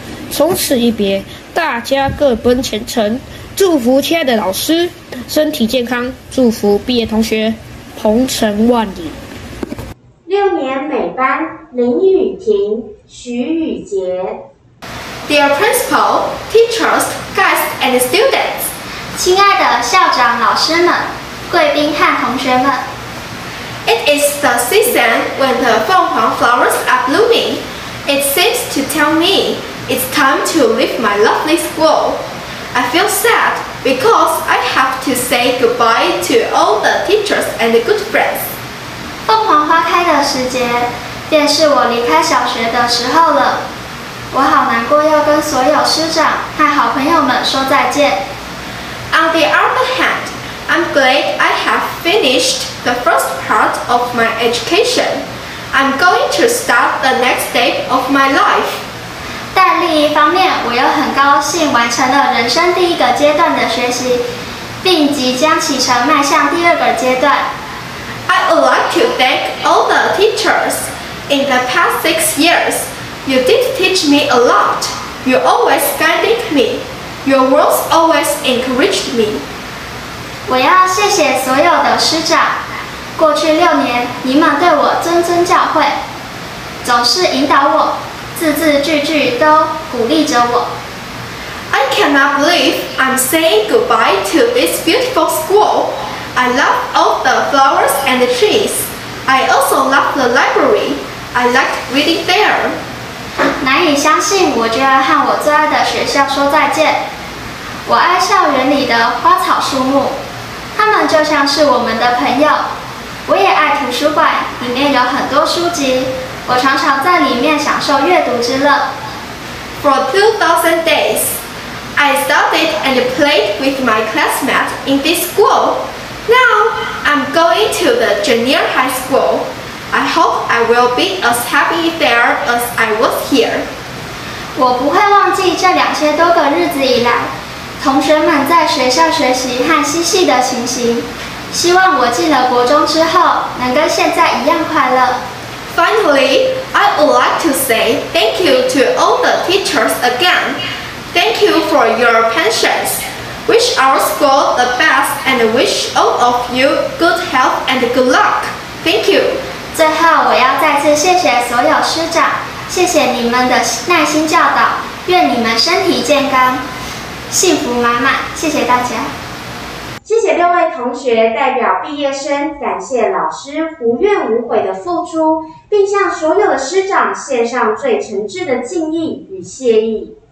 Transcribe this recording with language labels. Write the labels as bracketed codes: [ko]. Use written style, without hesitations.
[zh] 从此一别，大家各奔前程，祝福亲爱的老师身体健康，祝福毕业同学鹏程万里。六年美班林雨婷、徐雨杰。 [en] Dear principal, teachers, guests and students， [zh] 亲爱的校长老师们、贵宾和同学们。 [en] It is the season when the 凤凰 flowers are blooming. It seems to tell me it's time to leave my lovely school. I feel sad because I have to say goodbye to all the teachers and the good friends. [zh] 凤凰花开的时节便是我离开小学的时候了。我好难过要跟所有师长和好朋友们说再见。 [en] On the other hand,I'm glad I have finished the first part of my education. I'm going to start the next step of my life. [zh] 但另一方面，我又很高兴完成了人生第一个阶段的学习，并即将启程迈向第二个阶段。 [en] I would like to thank all the teachers. In the past 6 years, you did teach me a lot. You always guided me. Your words always encouraged me. [zh] 我要谢谢所有的师长，过去六年你们对我谆谆教诲，总是引导我，字字句句都鼓励着我。 [en] I cannot believe I'm saying goodbye to this beautiful school. I love all the flowers and the trees. I also love the library. I liked reading there. [zh] 难以相信我就要和我最爱的学校说再见。我爱校园里的花草树木，他们就像是我们的朋友。我也爱图书馆，里面有很多书籍，我常常在里面享受阅读之乐。 [en] For 2000 days, I studied and played with my classmates in this school. Now, I'm going to the junior high school. I hope I will be as happy there as I was here. [zh] 我不会忘记这2000多个日子以来同学们在学校学习和嬉戏的情形，希望我进了国中之后能跟现在一样快乐。 [en] Finally, I would like to say thank you to all the teachers again. Thank you for your patience. Wish our school the best and wish all of you good health and good luck. Thank you. [zh] 最后，我要再次谢谢所有师长，谢谢你们的耐心教导，愿你们身体健康。幸福满满，谢谢大家。谢谢六位同学代表毕业生，感谢老师无怨无悔的付出，并向所有的师长献上最诚挚的敬意与谢意。